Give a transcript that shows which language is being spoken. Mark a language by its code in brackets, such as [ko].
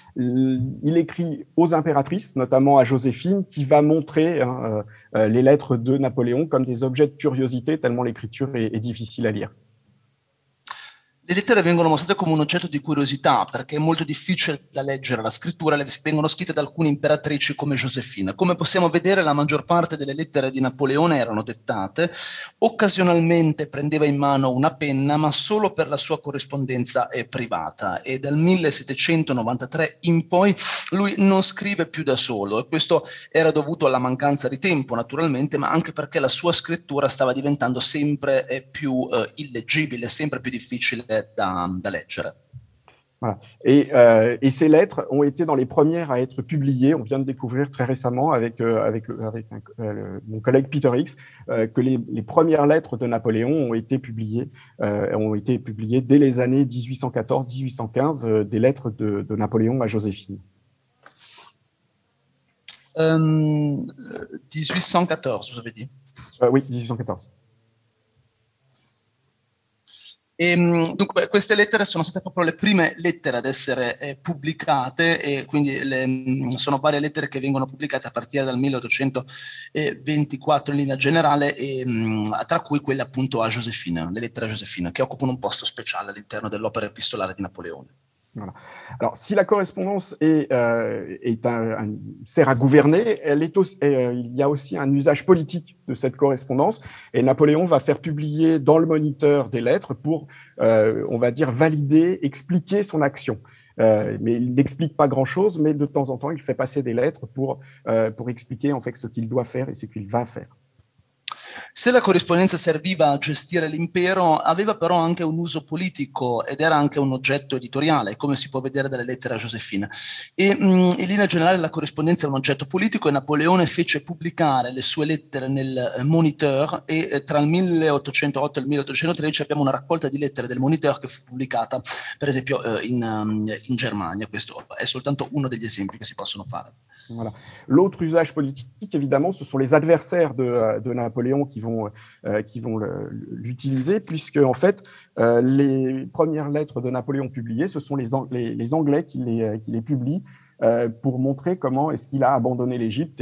[fr] Il écrit aux impératrices, notamment à Joséphine, qui va montrer les lettres de Napoléon comme des objets de curiosité, tellement l'écriture est difficile à lire. [it] Le lettere vengono mostrate come un oggetto di curiosità perché è molto difficile da leggere la scrittura, le vengono scritte da alcune imperatrici come Josefina. Come possiamo vedere, la maggior parte delle lettere di Napoleone erano dettate, occasionalmente prendeva in mano una penna, ma solo per la sua corrispondenza privata. E dal 1793 in poi lui non scrive più da solo, e questo era dovuto alla mancanza di tempo naturalmente, ma anche perché la sua scrittura stava diventando sempre più illeggibile, sempre più difficile da leggere. [fr] Voilà. Et ces lettres ont été dans les premières à être publiées. On vient de découvrir très récemment avec mon collègue Peter Hicks que les premières lettres de Napoléon ont été publiées dès les années 1814-1815, des lettres de Napoléon à Joséphine. 1814, vous avez dit Oui, 1814. [it] Dunque, queste lettere sono state proprio le prime lettere ad essere pubblicate, e quindi sono varie lettere che vengono pubblicate a partire dal 1824 in linea generale, e, tra cui quelle appunto a Josefina, le lettere a Josefina, che occupano un posto speciale all'interno dell'opera epistolare di Napoleone. Alors, si la correspondance sert à gouverner, il y a aussi un usage politique de cette correspondance, et Napoléon va faire publier dans le Moniteur des lettres pour, on va dire, valider, expliquer son action. Mais il n'explique pas grand-chose, mais de temps en temps, il fait passer des lettres pour expliquer en fait ce qu'il doit faire et ce qu'il va faire. Se la corrispondenza serviva a gestire l'impero, aveva però anche un uso politico ed era anche un oggetto editoriale, come si può vedere dalle lettere a Josefina. E in linea generale la corrispondenza è un oggetto politico, e Napoleone fece pubblicare le sue lettere nel Moniteur, e tra il 1808 e il 1813 abbiamo una raccolta di lettere del Moniteur che fu pubblicata, per esempio, in Germania. Questo è soltanto uno degli esempi che si possono fare. [fr] Voilà. L'autre usage politique, évidemment, ce sont les adversaires de Napoléon qui vont l'utiliser, puisque en fait, les premières lettres de Napoléon publiées, ce sont les Anglais qui les publient pour montrer comment est-ce qu'il a abandonné l'Égypte.